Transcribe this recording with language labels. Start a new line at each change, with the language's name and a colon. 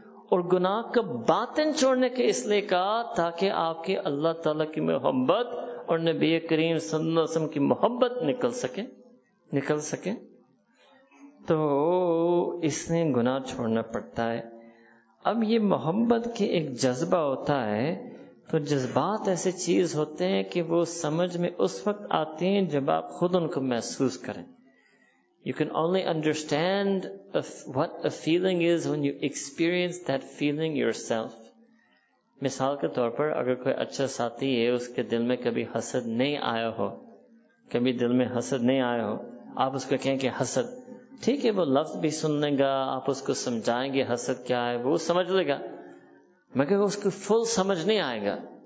Urdu: اور گناہ کا باطن چھوڑنے کے اس لیے کہا تاکہ آپ کے اللہ تعالیٰ کی محبت اور نبی کریم صلی اللہ علیہ وسلم کی محبت نکل سکے, نکل سکے. تو اس لیے گناہ چھوڑنا پڑتا ہے. اب یہ محبت کے ایک جذبہ ہوتا ہے, تو جذبات ایسے چیز ہوتے ہیں کہ وہ سمجھ میں اس وقت آتے ہیں جب آپ خود ان کو محسوس کریں.
English: You can only understand what a feeling is when you experience that feeling yourself.
Urdu: مثال کے طور پر اگر کوئی اچھا ساتھی ہے, اس کے دل میں کبھی حسد نہیں آیا ہو, کبھی دل میں حسد نہیں آیا ہو, آپ اس کو کہیں کہ حسد, ٹھیک ہے وہ لفظ بھی سن لے گا, آپ اس کو سمجھائیں گے حسد کیا ہے, وہ سمجھ لے گا, مگر اس کو فل سمجھ نہیں آئے گا.